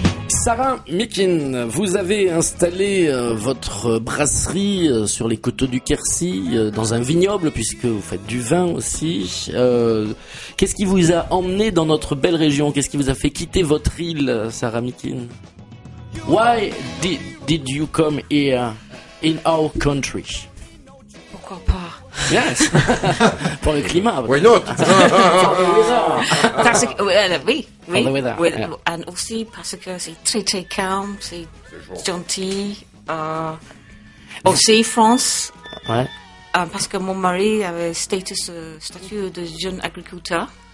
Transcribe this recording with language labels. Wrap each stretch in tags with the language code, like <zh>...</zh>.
<fr>Sarah Mikin, vous avez installé votre brasserie sur les coteaux du Quercy, dans un vignoble, puisque vous faites du vin aussi. Qu'est-ce qui vous a emmené dans notre belle région? Qu'est-ce qui vous a fait quitter votre île, Sarah Mikin?</fr> <en>Why did you come here in our country?</en> <fr>Pourquoi pas? Yes. Pour le climat.</fr> <en>Why not?</en> <fr>Parce que, oui, et aussi parce que c'est très très calme, c'est gentil. Aussi France. Ouais. Parce que mon mari avait statut de jeune agriculteur.</fr>